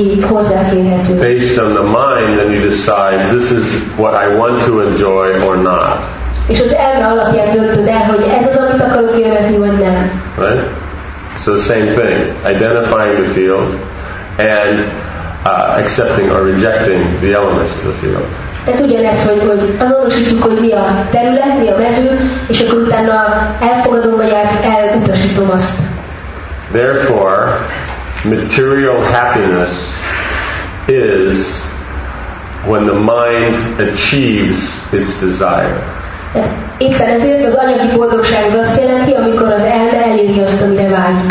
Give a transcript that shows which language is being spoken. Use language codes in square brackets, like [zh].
[en] Based on the mind, then you decide this is what I want to enjoy or not. [hu] És az elme alapján döntöd el, hogy ez az, amit akarok élvezni, vagy nem. [en] Right? So the same thing, identifying the field and accepting or rejecting the elements of the field. [hu] Tehát ugyanez, hogy azonosítjuk, hogy mi a terület, mi a mező, és akkor utána elfogadom, vagy elutasítom azt. [en] Therefore, material happiness is when the mind achieves its desire. [hu] Éppen ezért az anyagi boldogság az azt jelenti, amikor az elme eléri azt, amire vágyik.